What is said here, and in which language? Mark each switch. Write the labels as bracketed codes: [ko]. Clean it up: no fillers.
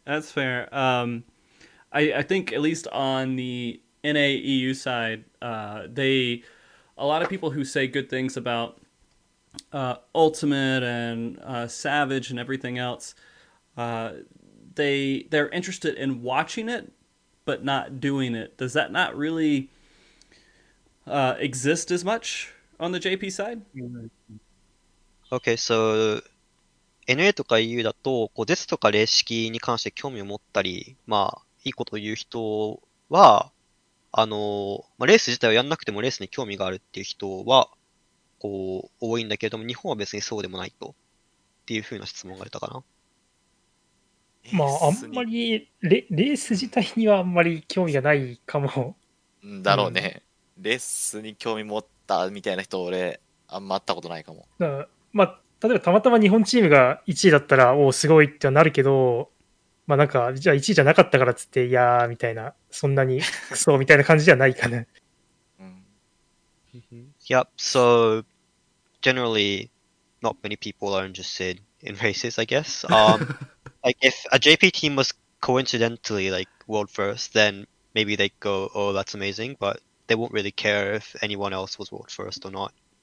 [en] I think at least on the NAEU side, a lot of people who say good things aboutUltimate and Savage and everything else, they're interested in watching it, but not doing it. Does that not really exist as much on the JP side? Okay, so [ja] NA とか EU だと、こうデスとか霊式に関して興味を持ったり、まあいいことを言う人は、あの、まあ、レース自体をやんなくてもレースに興味があるっていう人は。多いんだけれども、日本は別にそうでもないとっていうふうな質問が出たかな。まあ、あんまり レース自体にはあんまり興味がないかも。だろうね、うん。レースに興味持ったみたいな人、俺、あんま会ったことないかも。だまあ、例えばたまたま日本チームが1位だったら、おお、すごいってはなるけど、まあなんか、じゃあ1位じゃなかったからつって、いやーみたいな、そんなにクソみたいな感じじゃないかな。 [en] Yep, so generally not many people are interested in races, I guess. like if a JP team was coincidentally like world first, then maybe they'd go, oh, that's amazing, but they won't really care if anyone else was world first or not.